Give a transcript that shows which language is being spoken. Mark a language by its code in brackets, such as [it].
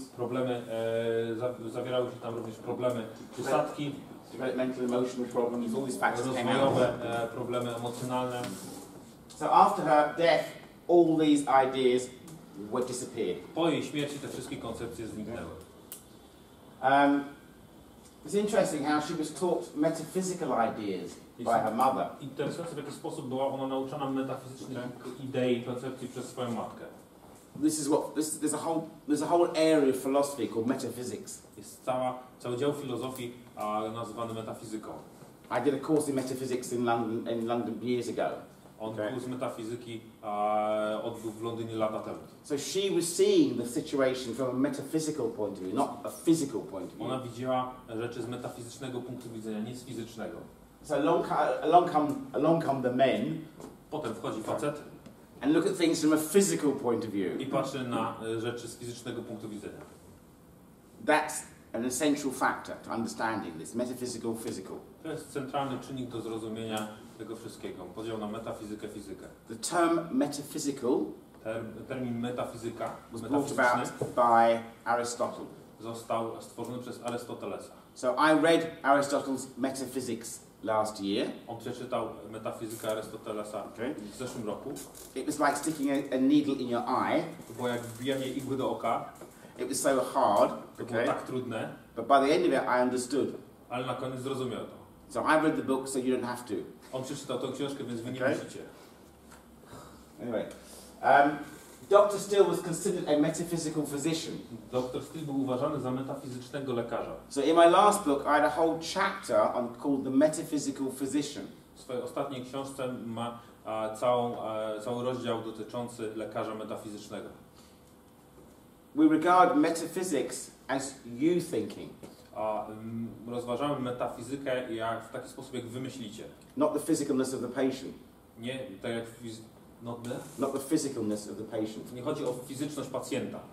[pl] Problemy, zawierały się tam również problemy przysadki. [en] Developmental emotional problems, all these facts came out. [pl] Problemy emocjonalne. [en] So after her death, all these ideas were disappeared. [pl] Po jej śmierci te wszystkie koncepcje zniknęły. [en] It's interesting how she was taught metaphysical ideas by her mother. [pl] Interesujące, w jaki sposób była ona nauczana metafizycznych idei i koncepcji przez swoją matkę. [en] There's a whole area of philosophy called metaphysics. [pl] Jest cały dział filozofii nazywany metafizyką. [en] I did a course in metaphysics in London years ago. [pl] On kurs metafizyki odbył w Londynie lata temu. [en] So she was seeing the situation from a metaphysical point of view, not a physical point of view. [pl] Ona widziała rzeczy z metafizycznego punktu widzenia, nie z fizycznego. [en] So along come the men. [pl] Potem wchodzi facet. [en] And look at things from a physical point of view. [pl] I patrzy na rzeczy z fizycznego punktu widzenia. [en] That's an essential factor to understanding this metaphysical physical. [pl] To jest centralny czynnik do zrozumienia tego wszystkiego. Podział na metafizykę, fizykę. [en] The term metaphysical. [pl] Termin metafizyka. [en] Was brought about by Aristotle. [pl] Został stworzony przez Arystotelesa. [en] So I read Aristotle's Metaphysics last year. [pl] On przeczytał metafizykę Arystotelesa w zeszłym roku. [en] It was like sticking a needle in your eye. [pl] To było jak wbijanie igły do oka. [en] It was so hard. [pl] To było tak trudne. [en] But by the end of it, I understood. [pl] Ale na koniec zrozumiał to. [en] So I read the book, so you don't have to. [pl] On przeczytał tą książkę, więc wy nie musicie. [en] Anyway, Dr. Still was considered a metaphysical physician. [pl] Dr. Still był uważany za metafizycznego lekarza. [en] So in my last book, I had a whole chapter on called the metaphysical physician. [pl] W swojej ostatniej książce ma cały rozdział dotyczący lekarza metafizycznego. [en] We regard metaphysics as you thinking. [pl] Rozważamy metafizykę jak w taki sposób, jak wy myślicie. [en] Not the physicalness of the patient. [pl] Nie, tak jak [en] not the physicalness of the patient. [pl] Nie chodzi o fizyczność pacjenta.